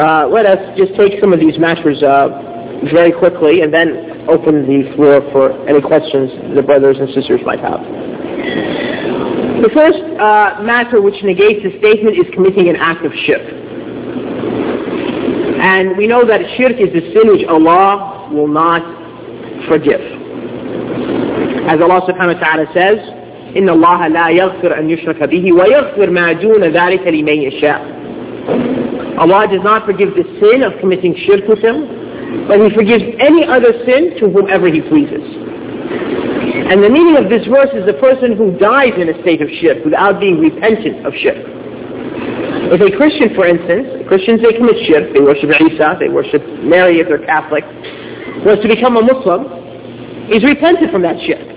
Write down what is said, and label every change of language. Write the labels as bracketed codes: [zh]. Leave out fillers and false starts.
[en] Let us just take some of these matters very quickly and then open the floor for any questions the brothers and sisters might have. The first matter which negates the statement is committing an act of shirk. And we know that shirk is the sin which Allah will not forgive. As Allah subhanahu wa ta'ala says, [ar] إِنَّ اللَّهَ لَا يَغْفِرْ أَنْ يُشْرَكَ بِهِ وَيَغْفِرْ مَا دُونَ ذَلِكَ لِمَنْ يَشَاءُ. [en] Allah does not forgive the sin of committing shirk with Him, but He forgives any other sin to whomever He pleases. And the meaning of this verse is the person who dies in a state of shirk without being repentant of shirk. If a Christian, for instance, Christians, they commit shirk, they worship Isa, they worship Mary if they're Catholic, was to become a Muslim, he's repentant from that shirk.